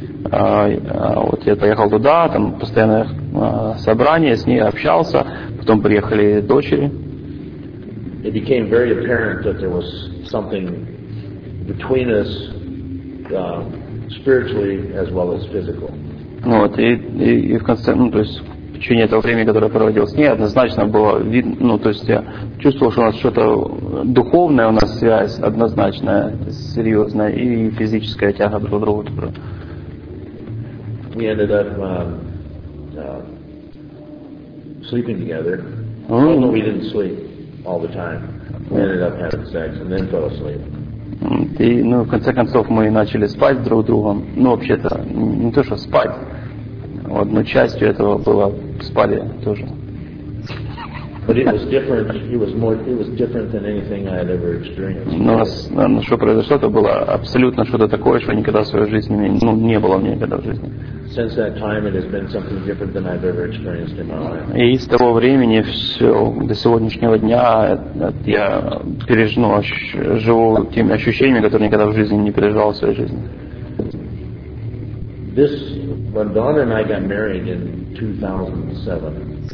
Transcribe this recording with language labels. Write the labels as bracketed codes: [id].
[ru] Вот я поехал туда, там постоянное собрание, с ней общался, потом приехали дочери. [en] It became very apparent that there was something between us spiritually as well as physical. [ru] Вот, и в конце, ну, то есть в течение этого времени, которое я проводил с ней, однозначно было видно, ну, то есть я чувствовал, что у нас что-то духовное, у нас связь однозначная, серьезная, и физическая тяга друг к другу. [en] We ended up sleeping together. Although we didn't sleep all the time. We ended up having sex and then fell asleep. [ru] И, ну, в конце концов, мы начали спать друг с другом. Ну, вообще-то, не то, что спать. Вот, но частью этого было спали тоже. [en] But it was different. It was different than anything I had ever experienced. [ru] Но что произошло, это было абсолютно что-то такое, что никогда в своей жизни не было мне никогда в жизни. [en] Since that time, it has been something different than I've ever experienced in my life. [ru] И с того времени все до сегодняшнего дня я пережил, живу теми ощущениями, которые никогда в жизни не переживал в своей жизни. [en] This, when Donna and I got married in 2007.